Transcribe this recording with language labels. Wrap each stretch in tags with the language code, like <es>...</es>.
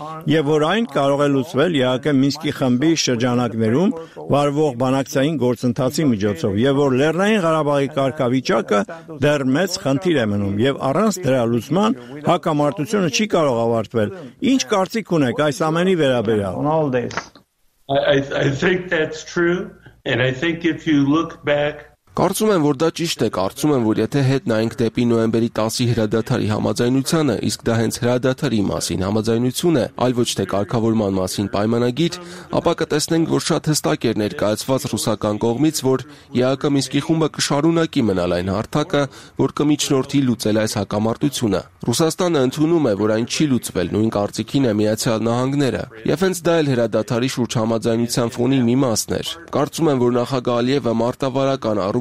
<hy>և որ այն կարող է լուծվել ԵԱԿ Մինսկի խմբի շրջանակներում վարվող բանակցային գործընթացի միջոցով, և որ Լեռնային Ղարաբաղի կարգավիճակը դեռ մեծ խնդիր է մնում, և առանց դրա լուծման հակամարտությունը չի կարող ավարտվել։ Ինչ կարծիք ունեք այս ամենի վերաբերյալ?</hy> <en>I think that's true, and I think if you look back,</en> <hy>կարծում եմ, որ դա ճիշտ է, կարծում եմ, որ եթե հետ նայենք դեպի նոյեմբերի 10-ի հրադադարի համաձայնությանը, իսկ դա հենց հրադադարի մասին համաձայնություն է, այլ ոչ թե կարգավորման մասին պայմանագիր, ապա կտեսնենք, որ շատ հստակ էր ներկայացված ռուսական կողմից, որ ԵԱԿ Մինսկի խումբը կշարունակի մնալ այն հարթակը, որ կմիջնորդի լուծել այս հակամարտությունը։ Ռուսաստանը ընդունում է, որ այն չի լուծվել, նույն կարծիքին է Միացյալ Նահանգները, և հենց դա էլ հրադադարի շուրջ համաձայնության ֆոնի մի մասն էր։ Կարծում եմ, որ նախագահ Ալիևը մարտավարական առ</hy>